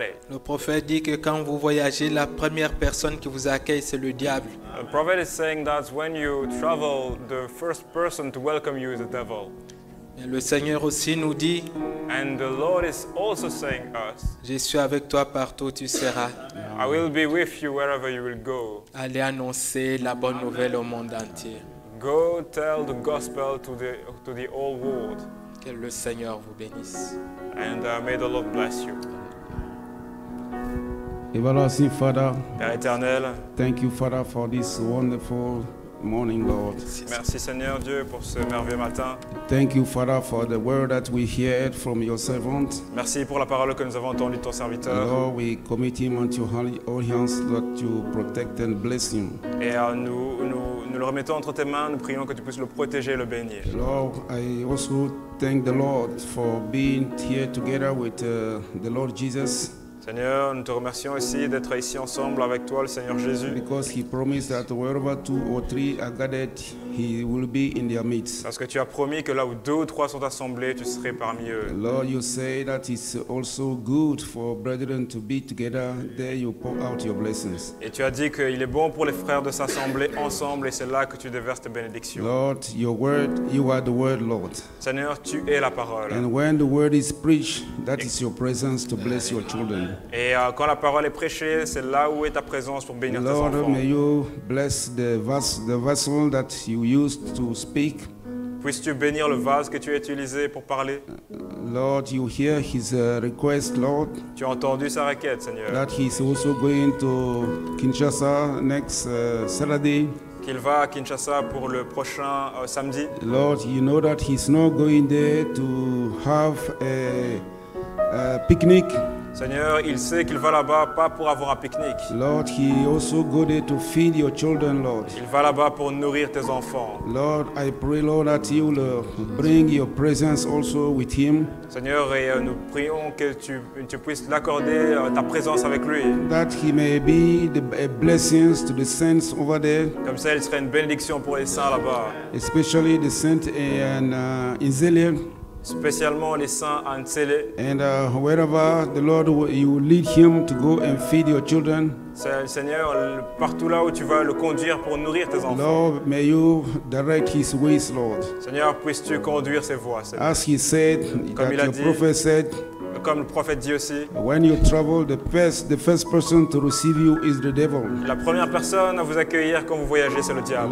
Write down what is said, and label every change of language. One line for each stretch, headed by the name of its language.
French: Le prophète dit que quand vous voyagez, la première personne qui vous accueille, c'est le diable.
English: The prophet is saying that when you travel, the first person to welcome you is the devil.
French: Et le Seigneur aussi nous dit.
English: And the Lord is also saying us.
French: Je suis avec toi partout où tu seras.
English: I will be with you wherever you will go.
French: Allez annoncer la bonne nouvelle au monde entier.
English: Go tell the gospel to the whole world.
French: Que le Seigneur vous bénisse.
English: And may the Lord bless you.
French: Et voilà aussi,
English: Father.
French: Père éternel.
English: Thank you, Father, for this wonderful morning, Lord.
French: Merci, Seigneur Dieu, pour ce merveilleux matin.
English: Thank you, Father, for the word that we heard from your servant.
French: Merci pour la parole que nous avons entendue de ton serviteur.
English: Lord, we commit him unto your holy hands, Lord, to protect and bless him.
French: Et nous le remettons entre tes mains. Nous prions que tu puisses le protéger, le bénir.
English: Lord, I also thank the Lord for being here together with the Lord Jesus.
French: Seigneur, nous te remercions aussi d'être ici ensemble avec toi, le Seigneur Jésus.
English: Because he promised that wherever two or three are gathered, he will be in their midst.
French: Parce que tu as promis que là où deux ou trois sont assemblés, tu serais parmi eux.
English: Lord, you say that it's also good for brethren to be together. There you pour out your blessings.
French: Et tu as dit qu'il est bon pour les frères de s'assembler ensemble, et c'est là que tu déverses tes bénédictions.
English: Lord, your word, you are the word, Lord.
French: Seigneur, tu es la parole.
English: And when the word is preached, that is your presence to bless your children.
French: Et quand la parole est prêchée, c'est là où est ta présence pour bénir
English: Lord,
French: tes enfants.
English: May you bless the vessel that you used to speak.
French: Puisses-tu bénir le vase que tu as utilisé pour parler?
English: Lord, you hear his request, Lord.
French: Tu as entendu sa requête, Seigneur.
English: That he is also going to Kinshasa next Saturday.
French: Qu'il va à Kinshasa pour le prochain samedi.
English: Lord, you know that he's not going there to have a picnic.
French: Seigneur, il sait qu'il va là-bas pas pour avoir un pique-nique.
English: Lord, he also go there to feed your children, Lord.
French: Il va là-bas pour nourrir tes enfants.
English: Lord, I pray, Lord, that you will bring your presence also with him.
French: Seigneur, et nous prions que tu puisses l'accorder ta présence avec lui.
English: That he may be a blessing to the saints over there.
French: Comme ça, il serait une bénédiction pour les saints là-bas.
English: Especially the saints in Zélie.
French: Spécialement les saints Anselé.
English: And wherever the Lord you lead him to go and feed your children.
French: Seigneur, partout là où tu vas le conduire pour nourrir tes enfants.
English: Lord, may you direct his ways, Lord.
French: Seigneur, puisses-tu conduire ses voies. Seigneur.
English: As he said,
French: comme
English: that
French: il a
English: your prophet said.
French: Comme le prophète dit aussi.
English: When you travel, the first person to receive you is the devil.
French: La première personne à vous accueillir quand vous voyagez, c'est le diable.